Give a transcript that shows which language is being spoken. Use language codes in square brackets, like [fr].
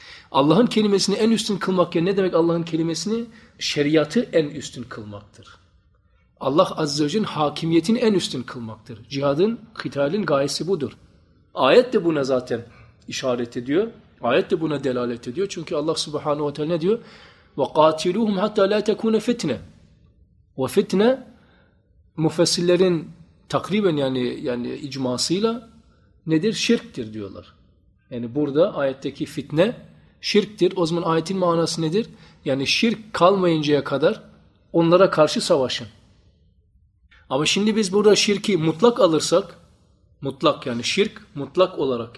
[tr] Allah'ın kelimesini en üstün kılmak ya ne demek Allah'ın kelimesini? Şeriatı en üstün kılmaktır. Allah Azze ve Celle'nin hakimiyetini en üstün kılmaktır. Cihadın, kıtalin gayesi budur. Ayet de buna zaten işaret ediyor. Ayet de buna delalet ediyor. Çünkü Allah Subhanahu ve Teala ne diyor? [ar] وَقَاتِلُوهُمْ حَتَّى لَا تَكُونَ فِتْنَةً وَفِتْنَةً [tr] müfessirlerin takriben yani icmasıyla nedir? Şirktir diyorlar. Yani burada ayetteki fitne şirktir. O zaman ayetin manası nedir? Yani şirk kalmayıncaya kadar onlara karşı savaşın. Ama şimdi biz burada şirki mutlak alırsak, mutlak yani şirk mutlak olarak.